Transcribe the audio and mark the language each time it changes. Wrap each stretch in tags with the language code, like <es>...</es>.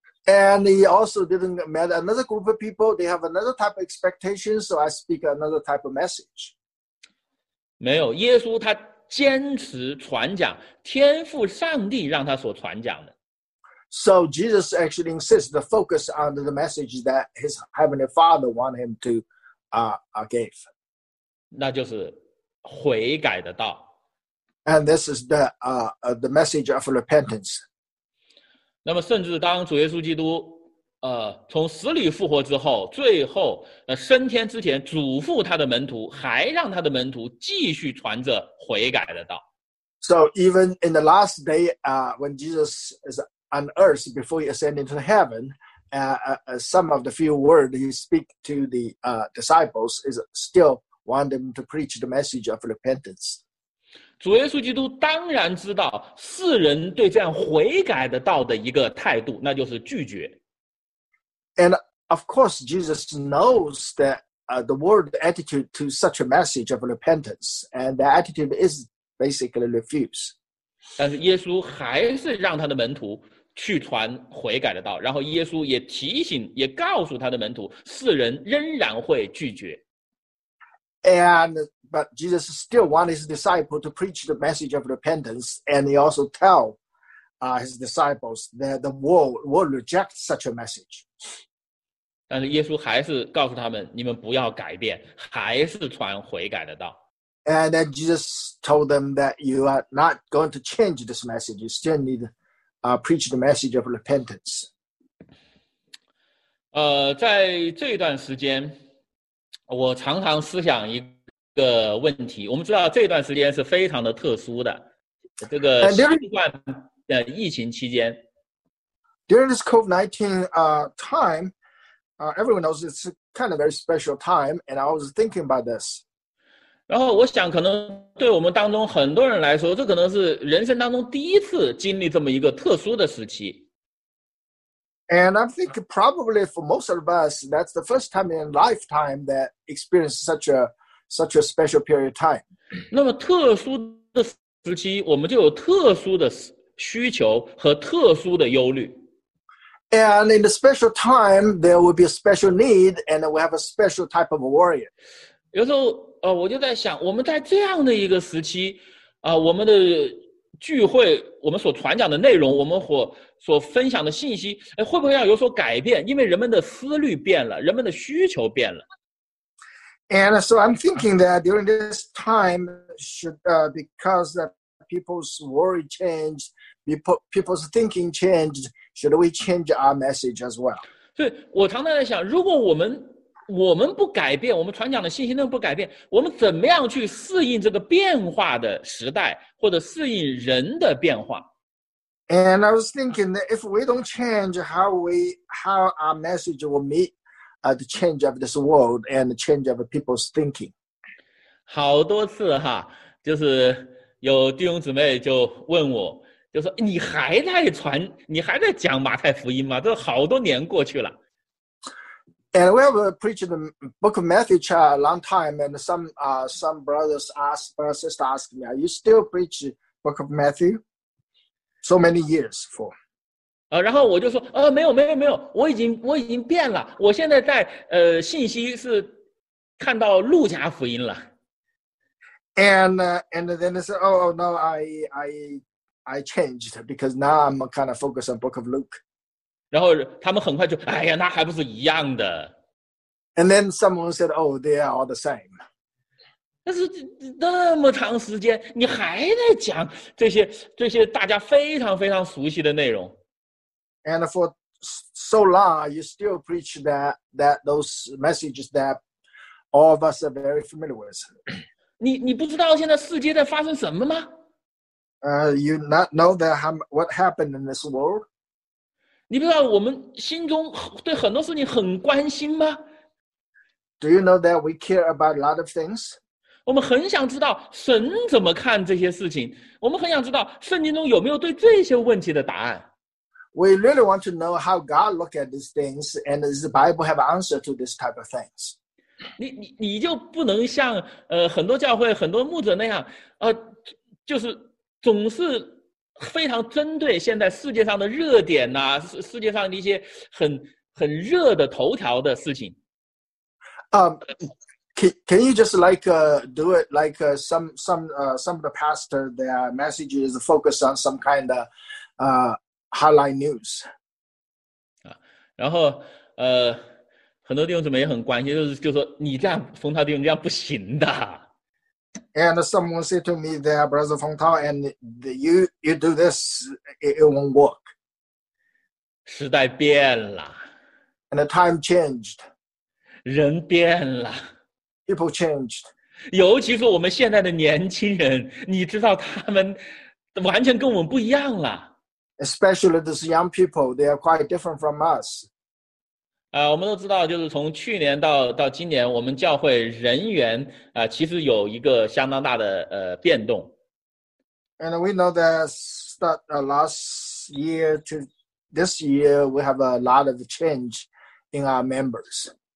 <en>And he also didn't meet another group of people. They have another type of expectation, so I speak another type of message.</en> <zh>没有，耶稣他坚持传讲天父上帝让他所传讲的。</zh> <en>So Jesus actually insists the focus on the message that his heavenly father wanted him to give.</en> <zh>那就是悔改的道。</zh> <en>And this is the message of repentance.</en> <zh>那么甚至当主耶稣基督从死里复活之后，最后升天之前嘱咐他的门徒，还让他的门徒继续传着悔改的道。</zh> <en>So even in the last day, when Jesus is on earth before he ascended into heaven, some of the few words he speak to the disciples is still want them to preach the message of repentance.</en> <zh>主耶稣基督当然知道世人对这样悔改的道的一个态度，那就是拒绝。</zh> <en>And of course, Jesus knows that the world attitude to such a message of repentance, and the attitude is basically refuse.</en> <zh>但是耶稣还是让他的门徒去传悔改的道，然后耶稣也提醒，也告诉他的门徒，世人仍然会拒绝。</zh> <en>But Jesus still wants his disciple to preach the message of repentance, and he also tells his disciples that the world will reject such a message.</en> <zh>但是耶稣还是告诉他们，你们不要改变，还是传悔改的道。</zh> <en>And then Jesus told them that you are not going to change this message. You still need preach the message of repentance.</en> <zh>在这段时间，我常常思想一个问题。我们知道这段时间是非常的特殊的，这个新冠的疫情期间。</zh> <en>During this COVID-19time, everyone knows it's kind of very special time, and I was thinking about this.</en> <zh>然后我想可能对我们当中很多人来说，这可能是人生当中第一次经历这么一个特殊的时期。</zh> <en>And I think probably for most of us, that's the first time in lifetime that experienced such a special period of time.</en> <zh>那么特殊的时期，我们就有特殊的需求和特殊的忧虑。</zh> <en>And in a special time, there will be a special need, and we have a special type of worry.</en> <zh>有时候，我就在想，我们在这样的一个时期，我们的聚会我们所传讲的内容，我们所分享的信息，哎，会不会要有所改变？因为人们的思虑变了，人们的需求变了。</zh> <en>And so I'm thinking that during this time should because that people's worry changed, people's thinking changed, should we change our message as well?</en> <zh>对，我常常在想，如果我们不改变，我们传讲的信息内容不改变，我们怎么样去适应这个变化的时代，或者适应人的变化</zh> <en>？And I was thinking that if we don't change how our message will meet the change of this world and the change of people's thinking.</en> <zh>好多次哈，就是有弟兄姊妹就问我，就说你还在传，你还在讲马太福音吗？这好多年过去了。</zh> <en>And we have preached the book of Matthew a long time, and some brothers asked, sister asked me, are you still preach book of Matthew so many years for?</en> <zh>然后我就说，没有没有没有，我已经变了，我现在在信息是看到路加福音了。</zh> <en>And then they said, oh no, I changed because now I'm kind of focused on book of Luke.</en> <zh>然后他们很快就，哎呀，那还不是一样的。</zh> <en>And then someone said, "Oh, they are all the same."</en> <zh>但是那么长时间，你还在讲这些大家非常非常熟悉的内容。</zh> <en>And for so long, you still preach that those messages that all of us are very familiar with.</en> <zh>你不知道现在世界在发生什么吗？</zh> <en>You not know that what happened in this world?</en> <zh>你不知道我们心中对很多事情很关心吗</zh> <en>？Do you know that we care about a lot of things？</en> <zh>我们很想知道神怎么看这些事情，我们很想知道圣经中有没有对这些问题的答案。</zh> <en>We really want to know how God look at these things, and does the Bible have an answer to this type of things？</en> <zh>你就不能像很多教会很多牧者那样，就是总是。非常针对现在世界上的热点啊，世界上的一些很热的头条的事情。</zh> <en>Can you just like do it like some of the pastor their messages focus on some kind of highlight news?</en> <zh>然后很多弟兄姊妹也很关心，就是说你这样冯涛弟兄这样不行的。</zh> <en>And someone said to me that Brother Feng Tao, and you do this, it won't work.</en> <zh>时代变了。</zh> <en>And the time changed.</en> <zh>人变了。</zh> <en>People changed.</en> <zh>尤其是我们现在的年轻人，你知道他们完全跟我们不一样了。</zh> <en>Especially these young people, they are quite different from us.</en> <zh>我们都知道，就是从去年到今年，我们教会人员其实有一个相当大的变动。</zh> <en>And we know that start last year to this year, we have a lot of change in our members.</en>